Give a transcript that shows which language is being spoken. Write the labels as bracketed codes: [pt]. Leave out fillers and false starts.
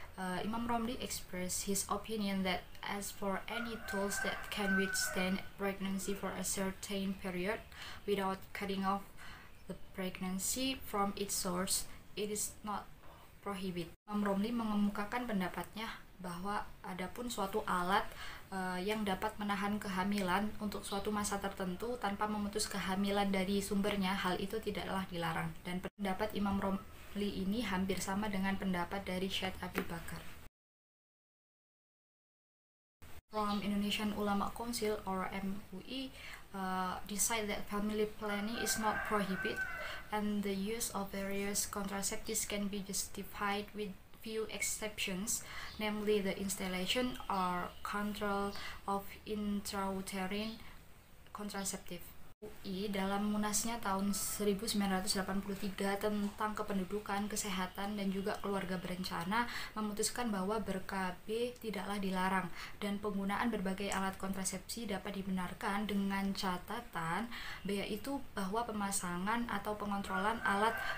[en] Imam Romli expressed his opinion that as for any tools that can withstand pregnancy for a certain period without cutting off the pregnancy from its source, it is not prohibited. [id] Imam Romli mengemukakan pendapatnya bahwa adapun suatu alat yang dapat menahan kehamilan untuk suatu masa tertentu tanpa memutus kehamilan dari sumbernya, hal itu tidaklah dilarang. Dan pendapat Imam Romli ini hampir sama dengan pendapat dari Syed Abi Bakar. [en] From Indonesian Ulama Council or MUI, decide that family planning is not prohibited and the use of various contraceptives can be justified with few exceptions, namely the installation or control of intrauterine contraceptive. [id] UI dalam munasnya tahun 1983 tentang kependudukan, kesehatan, dan juga keluarga berencana memutuskan bahwa ber-KB tidaklah dilarang dan penggunaan berbagai alat kontrasepsi dapat dibenarkan dengan catatan, yaitu bahwa pemasangan atau pengontrolan alat